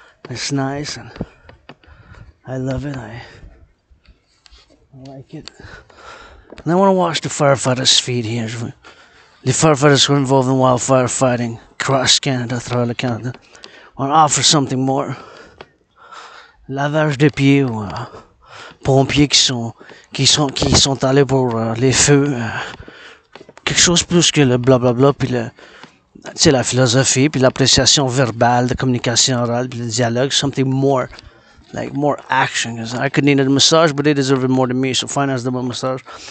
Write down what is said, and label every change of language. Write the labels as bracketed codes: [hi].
[en] It's nice and I love it. I like it. And I wanna watch the firefighters' feet here. The firefighters who are involved in wildfire fighting across Canada, throughout the Canada. Wanna offer something more. [fr] Lavage de pieds, pompiers qui sont allés pour les feux. Quelque chose plus que le blablabla, puis le, tu sais, la philosophie, puis l'appréciation verbale, la communication orale, puis le dialogue, [en] something more, like more action. I could need a massage, but they deserve it more than me, so finance them a massage.